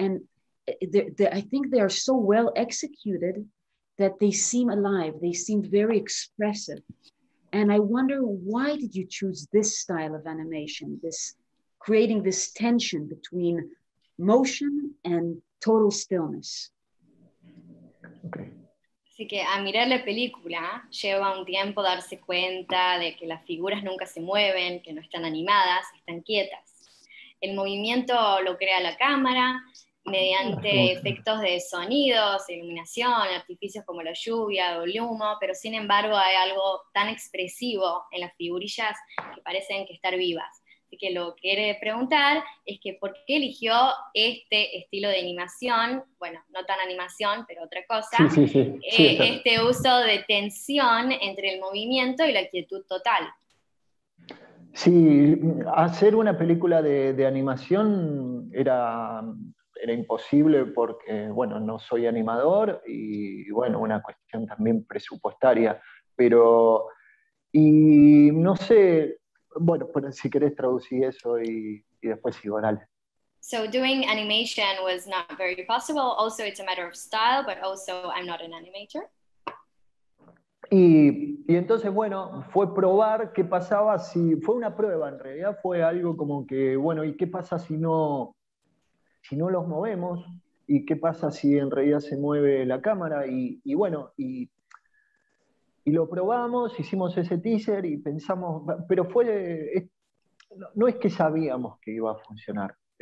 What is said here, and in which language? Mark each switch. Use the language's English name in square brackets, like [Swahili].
[English] And I think they are so well executed that they seem alive. They seem very expressive. And I wonder, why did you choose this style of animation, this creating this tension between motion and total stillness. Okay. [Spanish] Así que a mirar la película lleva un tiempo darse cuenta de que las figuras nunca se mueven, que no están animadas, están quietas. el movimiento lo crea la cámara, mediante efectos de sonidos, iluminación, artificios como la lluvia o el humo, pero sin embargo hay algo tan expresivo en las figurillas que parecen que están vivas. Así que lo que quiere preguntar es que ¿por qué eligió este estilo de animación? Bueno, no tan animación, pero otra cosa. Sí, sí, sí. Este uso de tensión entre el movimiento y la quietud total. Sí, hacer una película de animación era imposible porque, bueno, no soy animador y, bueno, una cuestión también presupuestaria. Pero, y no sé... Bueno, pero si querés traducir eso y después sigo, dale. [English] So doing animation was not very possible. Also, it's a matter of style, but also I'm not an animator. [Spanish] Y entonces, bueno, fue probar qué pasaba si... Fue una prueba, en realidad. Fue algo como que, bueno, ¿y qué pasa si no los movemos? ¿Y qué pasa si en realidad se mueve la cámara? Y lo probamos, hicimos ese teaser y pensamos, pero fue, no es que sabíamos que iba a funcionar.